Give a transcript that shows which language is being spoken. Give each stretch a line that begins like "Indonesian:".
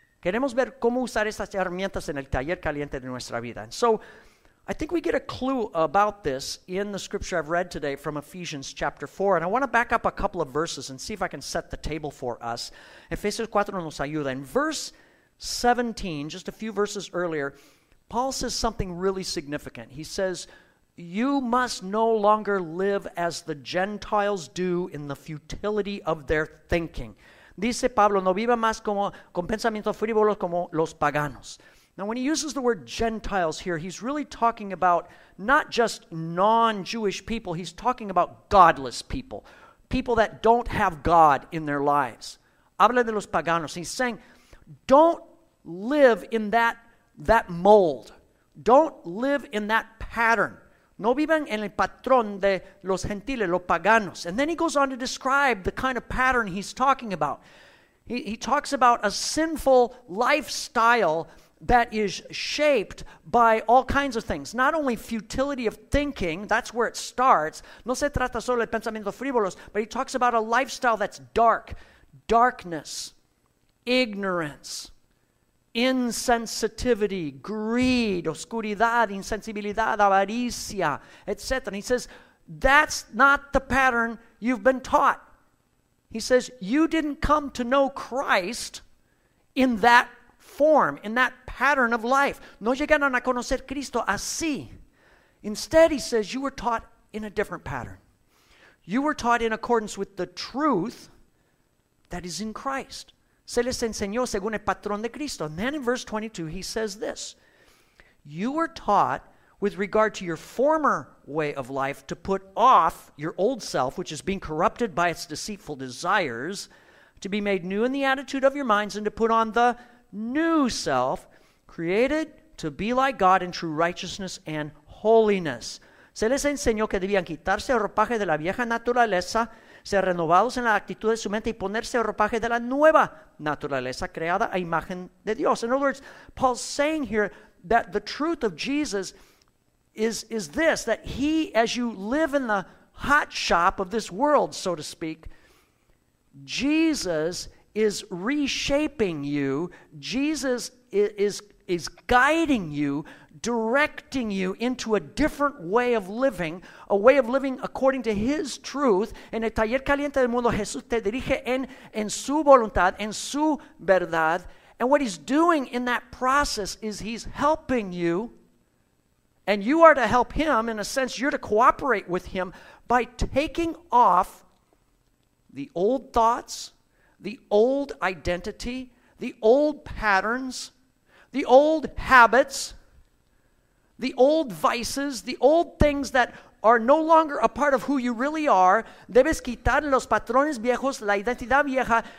Spanish: Queremos ver cómo usar estas herramientas en el taller caliente de nuestra vida.
English: And so I think we get a clue about this in the scripture I've read today from Ephesians chapter 4. And I want to back up a couple of verses and see if I can set the table for us.
Spanish: Ephesians 4 nos ayuda.
English: In verse 17, just a few verses earlier, Paul says something really significant. He says, you must no longer live as the Gentiles do in the futility of their thinking.
Spanish: Dice Pablo, no viva más como con pensamientos frívolos como los paganos.
English: Now, when he uses the word Gentiles here, he's really talking about not just non-Jewish people. He's talking about godless people, people that don't have God in their lives.
Spanish: Habla de los paganos.
English: He's saying, don't live in that mold. Don't live in that pattern.
Spanish: No vivan en el patrón de los gentiles, los paganos.
English: And then he goes on to describe the kind of pattern he's talking about. He talks about a sinful lifestyle that is shaped by all kinds of things. Not only futility of thinking, that's where it starts.
Spanish: No se trata solo de pensamientos frívolos,
English: but he talks about a lifestyle that's dark. Darkness, ignorance, insensitivity, greed,
Spanish: oscuridad, insensibilidad, avaricia,
English: etc. And he says, that's not the pattern you've been taught. He says, you didn't come to know Christ in that form, in that pattern of life.
Spanish: No llegaron a conocer Cristo así.
English: Instead, he says, you were taught in a different pattern. You were taught in accordance with the truth that is in Christ.
Spanish: Se les enseñó según el patrón de Cristo.
English: And then in verse 22, he says this. You were taught with regard to your former way of life to put off your old self, which is being corrupted by its deceitful desires, to be made new in the attitude of your minds and to put on the new self, created to be like God in true righteousness and holiness.
Spanish: Se les enseñó que debían quitarse el ropaje de la vieja naturaleza, ser renovados en la actitud de su mente y ponerse el ropaje de la nueva naturaleza creada a imagen de Dios.
English: In other words, Paul's saying here that the truth of Jesus is this, that he, as you live in the hot shop of this world, so to speak, Jesus is reshaping you. Jesus is guiding you, directing you into a different way of living, a way of living according to his truth.
Spanish: En el taller caliente del mundo, Jesús te dirige en su voluntad, en su verdad.
English: And what he's doing in that process is he's helping you, and you are to help him, in a sense, you're to cooperate with him by taking off the old thoughts, the old identity, the old patterns, the old habits, the old vices, the old things that are no longer a part of who you really are.
Spanish: Debes quitar los patrones viejos, la identidad vieja.